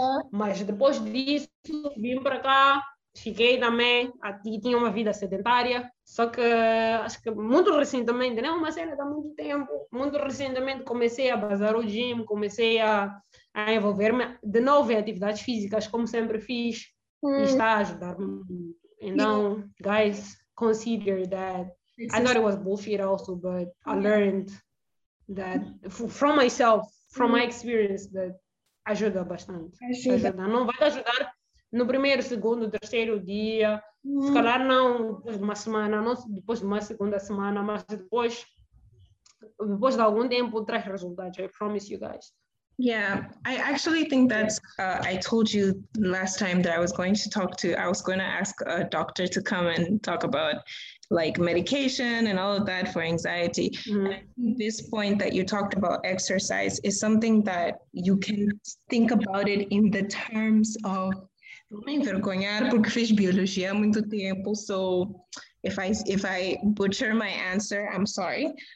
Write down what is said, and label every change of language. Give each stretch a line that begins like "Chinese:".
Portuguese: Mas depois disso, vim para cá, fiquei também, tinha uma vida sedentária, só que acho que muito recentemente, não é uma cena de muito tempo, muito recentemente comecei a bazar o gym, comecei a envolver-me de novo em atividades físicas, como sempre fiz, e está a ajudar-me.
English: Então, guys, consider that I thought it was bullshit also, but I learned that from myself, from my experience, that
Portuguese: ajuda bastante. Ajuda. Não vai te ajudar no primeiro, segundo, terceiro dia, se calhar não depois de uma semana, não depois de uma segunda semana, mas depois de algum tempo traz resultados.
English: I promise you guys. Yeah, I actually think that's, I told you last time that I was going to ask a doctor to come and talk about like medication and all of that for anxiety. Mm-hmm. And this point that you talked about exercise is something that you can think about it in the terms of,
Portuguese: não me envergonhar porque fiz biologia há muito tempo,
English: so if I butcher my answer, I'm sorry.